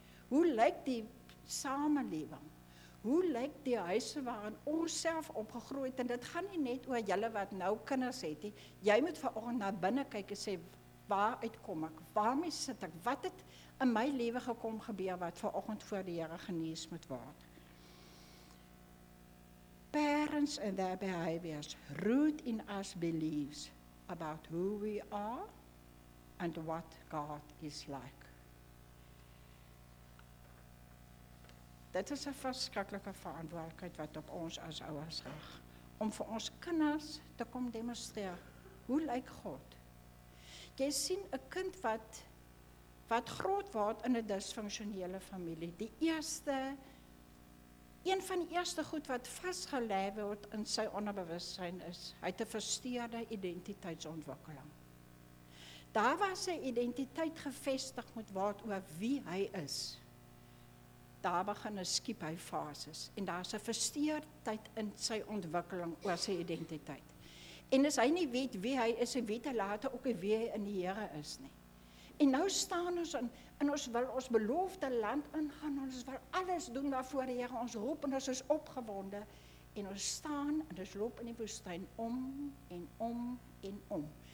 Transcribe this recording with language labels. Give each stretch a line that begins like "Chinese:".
Afrikaans: Hoe lyk die samenleving? Hoe lyk die huise waarin ons self opgegroeid? En dit gaan nie net oor julle wat nou kinders het. Jy moet vanoggend na binnen kyk en sê, waaruit kom ek? Waarmee sit ek? Wat het in my lewe gekom gebeur wat vanoggend voor die Here genees moet word?
English: Parents and their behaviors root in us beliefs about who we are and what God is like.
Afrikaans: Dit is 'n verskriklike verantwoordelikheid wat op ons as ouers rig, om vir ons kinders te kom demonstreer, hoe lyk God? Jy sien 'n kind wat groot word in 'n disfunksionele familie, die eerste Een van die eerste goed wat vasgelê word in sy onderbewussyn is, hy het 'n versteurde identiteitsontwikkeling. Daar waar sy identiteit gevestig moet word oor wie hy is, daar begin 'n skiep hy fases, en daar is 'n versteurdheid in sy ontwikkeling oor sy identiteit. En as hy nie weet wie hy is, en weet hy later ook wie hy in die Here is nie. En nou staan ons in, en ons wil ons beloofde land ingaan, en ons wil alles doen waarvoor die Here ons roep, en ons is opgewonde, en ons staan, en ons loop in die woestyn om, en om, en om.